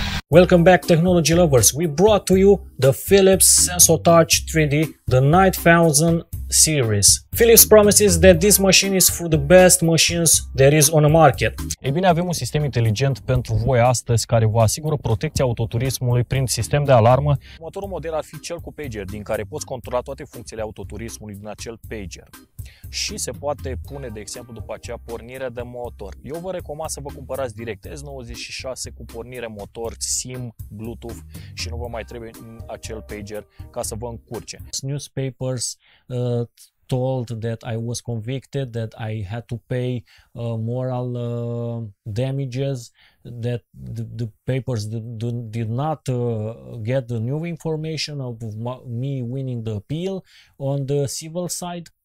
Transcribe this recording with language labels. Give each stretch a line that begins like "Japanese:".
English: Welcome back, technology lovers. We brought to you the Philips SensoTouch 3D, the 9000 series. Philips promises that this machine is for the best machines there is on the market.
Romanian: Ei bine, avem un sistem inteligent pentru voi astăzi care vă asigură protecția autoturismului prin sistem de alarmă. Următorul model ar fi cel cu pager, din care poți controla toate funcțiile autoturismului din acel pager. Și se poate pune, de exemplu, după aceea pornirea de motor. Eu vă recomand să vă cumpărați direct S96 cu pornire motor, SIM, Bluetooth și nu vă mai trebuie acel pager ca să vă încurce.
English: Newspapers told that I was convicted, that I had to pay moral damages, that the papers did not get the new information of me winning the appeal on the civil side.